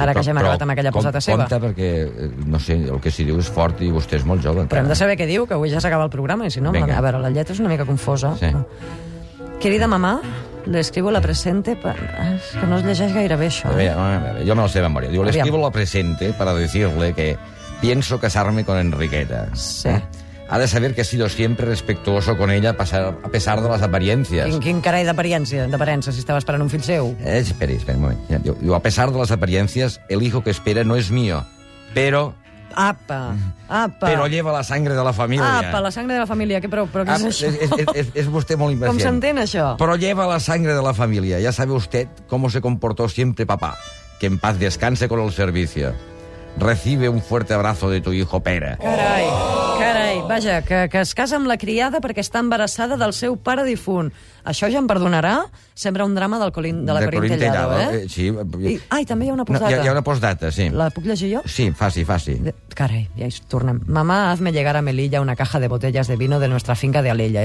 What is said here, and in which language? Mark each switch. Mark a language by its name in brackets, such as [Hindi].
[Catalan] Ara que ja hem arribat amb aquella posada seva. Compte, perquè, no sé, el que s'hi diu és fort i vostè és molt jove. Però hem de saber què diu, que avui ja s'acaba el programa, i si no... Vinga. A veure, la lletra és una mica confosa. Sí. [Spanish] Querida mamà, l'escribo la presente [Catalan] que no es llegeix gaire bé, això. A veure, jo me la sé de memòria. [Spanish] Diu, l'escribo la presente para decirle que pienso casarme con Enriqueta. Sí. Ha de saber que he sido siempre respetuoso con ella a pesar de [Catalan] les apariències. Quin carai d'apariència, d'aparença, si estava esperant un fill seu? Espera un moment. Diu, a pesar de les apariències, [Spanish] el hijo que espera no es mío, pero... [Catalan] Apa. [Spanish] Però lleva la sangre de la família. [Catalan] Apa, [Spanish] la sangre [Catalan] de la família. Però què és això? És vostè molt impacient. Com s'entén, això? [Spanish] Però lleva la sangre de la família. Ja sabe usted cómo se comportó siempre papá. Que en paz descanse con el servicio. Recibe un fuerte abrazo de tu hijo Pere. [Catalan] Carai. Vaja, que es casa amb la criada perquè està embarassada del seu pare difunt. Això ja em perdonarà? Sembra un drama del de la Corintellado, eh? Sí. Ai, també hi ha una postdata. No, hi ha una postdata, sí. La puc llegir jo? Sí, faci. Carai, ja hi tornem. [Spanish] Mamà, hazme llegar a Melilla una caja de botellas de vino de nuestra finca de Alella.